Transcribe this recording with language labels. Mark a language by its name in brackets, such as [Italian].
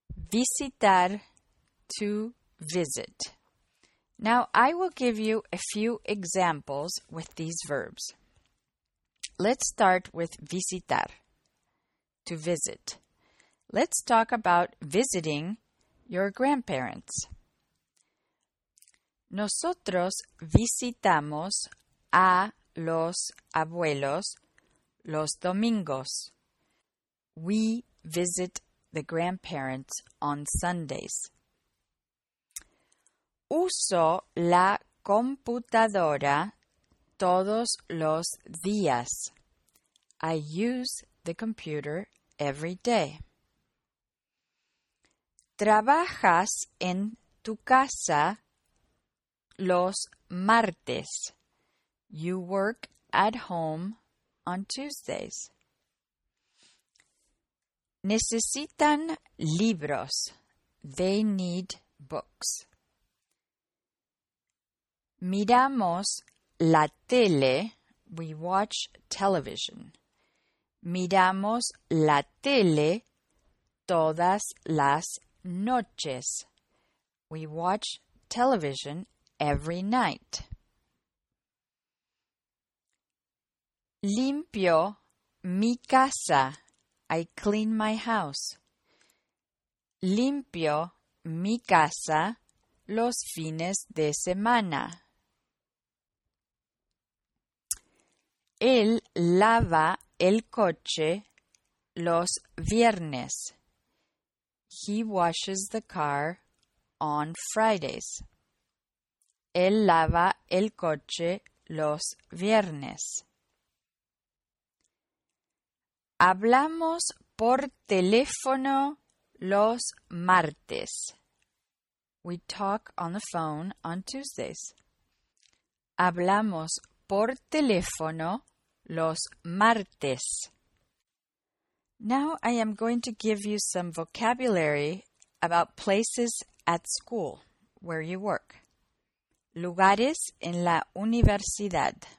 [English] Visitar, to visit. Now, I will give you a few examples with these verbs. Let's start with visitar, to visit. Let's talk about visiting your grandparents. [Spanish] Nosotros visitamos a los abuelos los domingos. [English] We visit the grandparents on Sundays. [Spanish] Uso la computadora todos los días. [English] I use the computer every day. [Spanish] Trabajas en tu casa los martes. [English] You work at home on Tuesdays. [Spanish] Necesitan libros. [English] They need books. [Spanish] Miramos la tele. [English] We watch television. [Spanish] Miramos la tele todas las noches. [English] We watch television every night. [Spanish] Limpio mi casa. [English] I clean my house. [Spanish] Limpio mi casa los fines de semana. Él lava el coche los viernes. [English] He washes the car on Fridays. [Spanish] Él lava el coche los viernes. Hablamos por teléfono los martes. [English] We talk on the phone on Tuesdays. [Spanish] Hablamos por teléfono los martes. [English] Now I am going to give you some vocabulary about places at school where you work. [Spanish] Lugares en la universidad.